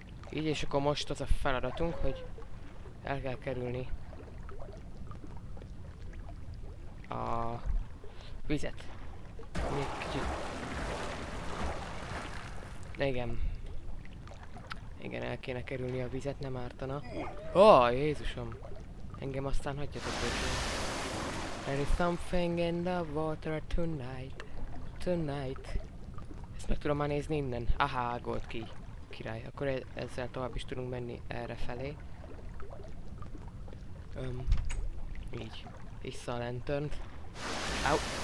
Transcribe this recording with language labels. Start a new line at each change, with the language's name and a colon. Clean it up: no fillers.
Hungarian: Így, és akkor most az a feladatunk, hogy el kell kerülni a vizet. Még kicsit. Igen. Igen, el kéne kerülni a vizet, nem ártana. Ó, oh, Jézusom! Engem aztán hagyjatok békén.
English: There is something in the water tonight. Tonight.
Hungarian: Ezt meg tudom már nézni innen. Aha, gold key. Király. Akkor ezzel tovább is tudunk menni erre felé. Így. Vissza a lantern. Au!